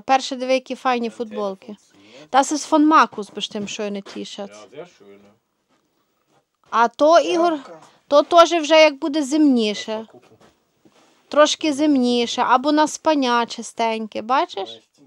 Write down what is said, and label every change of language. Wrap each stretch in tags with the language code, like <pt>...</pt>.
<uk>Перше диви, які файні футболки.</uk> <de>Das ist von Markus bestimmt schöne T-Shirts. Ja, sehr schön.</de> <uk>А то, Ігор, то теж вже як буде зимніше. Трошки зимніше. Або на спання чистеньке, бачиш?</uk>